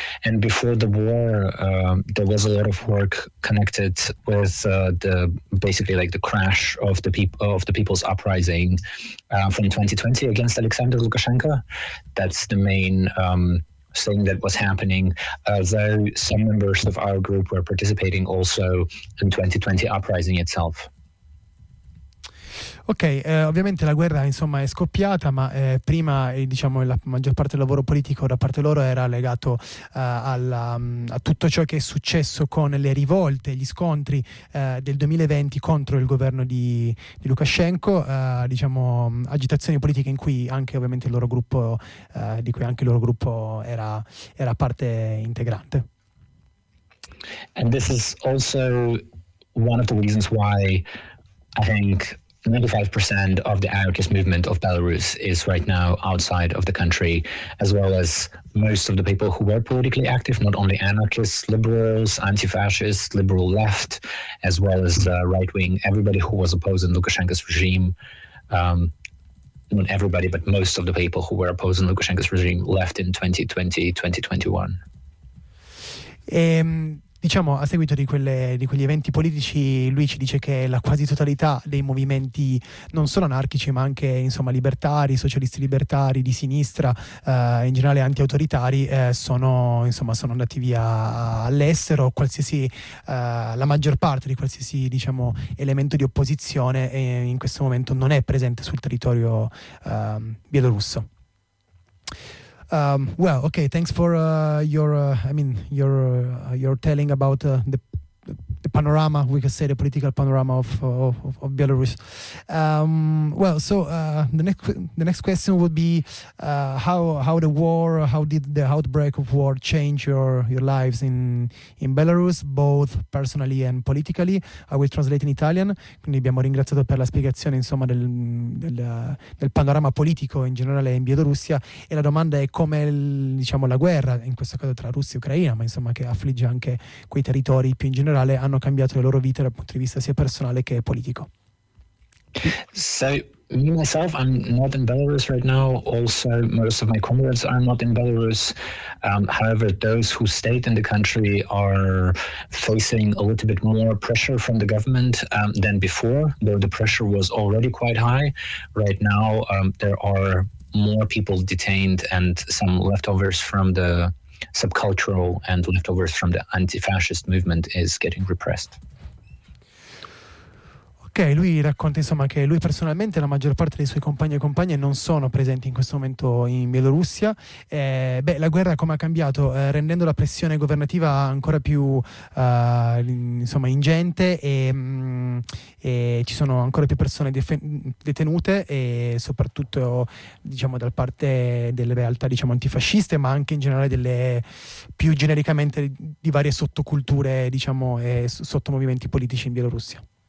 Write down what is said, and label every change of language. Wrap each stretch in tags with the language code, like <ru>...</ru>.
<en>And before the war, there was a lot of work connected with the crash of the people's uprising from 2020 against Alexander Lukashenko. That's the main thing that was happening, though some members of our group were participating also in 2020 uprising itself.</en> <it>Ok, ovviamente la guerra, insomma, è scoppiata, ma prima, diciamo, la maggior parte del lavoro politico da parte loro era legato a tutto ciò che è successo con le rivolte, gli scontri del 2020 contro il governo di Lukashenko, agitazioni politiche in cui anche ovviamente il loro gruppo, di cui anche il loro gruppo era parte integrante.</it> <en>And this is also one of the reasons why I think 95% of the anarchist movement of Belarus is right now outside of the country, as well as most of the people who were politically active, not only anarchists, liberals, anti-fascists, liberal left, as well as the right wing, everybody who was opposed in Lukashenko's regime. Not everybody, but most of the people who were opposed in Lukashenko's regime left in 2020, 2021.</en> <it>Diciamo, a seguito di quegli eventi politici, lui ci dice che la quasi totalità dei movimenti, non solo anarchici, ma anche, insomma, libertari, socialisti libertari, di sinistra, in generale anti-autoritari, sono andati via all'estero. La maggior parte di qualsiasi, diciamo, elemento di opposizione in questo momento non è presente sul territorio bielorusso.</it> <en>Okay, thanks for your telling about the panorama, we could say the political panorama of Belarus. The next question would be how did the outbreak of war change your lives in Belarus, both personally and politically. I will translate in Italian.</en> <it>Quindi abbiamo ringraziato per la spiegazione, insomma, del panorama politico in generale in Bielorussia, e la domanda è come la guerra, in questo caso tra Russia e Ucraina, ma insomma che affligge anche quei territori più in generale, hanno cambiato le loro vite dal punto di vista sia personale che politico.</it> <en>So Me myself, I'm not in Belarus right now. Also, most of my comrades are not in Belarus. However, those who stayed in the country are facing a little bit more pressure from the government than before, though the pressure was already quite high. Right now, there are more people detained and some leftovers from the subcultural and leftovers from the anti-fascist movement is getting repressed.</en> <it>Ok, lui racconta insomma che lui personalmente e la maggior parte dei suoi compagni e compagne non sono presenti in questo momento in Bielorussia. Beh, la guerra come ha cambiato? Rendendo la pressione governativa ancora più insomma ingente e ci sono ancora più persone detenute e soprattutto diciamo dal parte delle realtà diciamo antifasciste, ma anche in generale delle più genericamente di varie sottoculture diciamo e sottomovimenti politici in Bielorussia.</it>